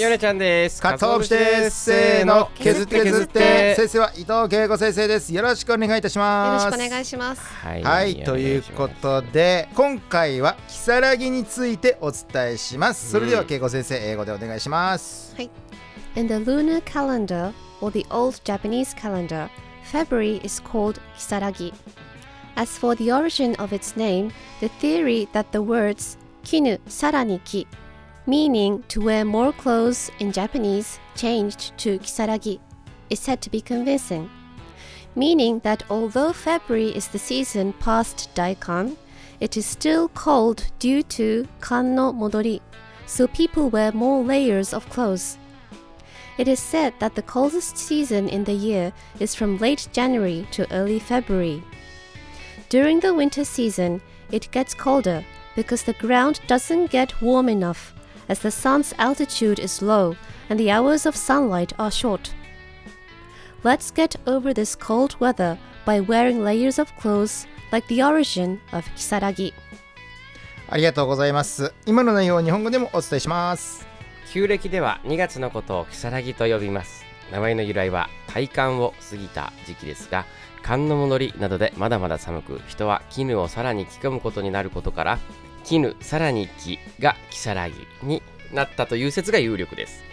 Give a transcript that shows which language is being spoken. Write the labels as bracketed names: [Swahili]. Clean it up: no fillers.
[Japanese] ヨネちゃんです。カツオブシです。せーの、削って削って。先生は伊藤恵子先生です。よろしくお願いいたします。よろしくお願いします。はい、ということで今回はキサラギについてお伝えします。それでは恵子先生、英語でお願いします。はい。 [English] In the lunar calendar or the old Japanese calendar, February is called Kisaragi. As for the origin of its name, the theory that the words kinu sarani ki, meaning to wear more clothes in Japanese, changed to Kisaragi, is said to be convincing. Meaning that although February is the season past Daikan, it is still cold due to kan no modori, so people wear more layers of clothes. It is said that the coldest season in the year is from late January to early February. During the winter season, it gets colder because the ground doesn't get warm enough, as the sun's altitude is low and the hours of sunlight are short. Let's get over this cold weather by wearing layers of clothes, like the origin of Kisaragi. [Japanese] ありがとうございます。今の内容を日本語でもお伝えします。旧暦では2月のことをキサラギと呼びます。名前の由来は大寒を過ぎた時期ですが、寒の戻りなどでまだまだ寒く、人は絹をさらに着込むことになることから、絹さらに着がキサラギになったという説が有力です。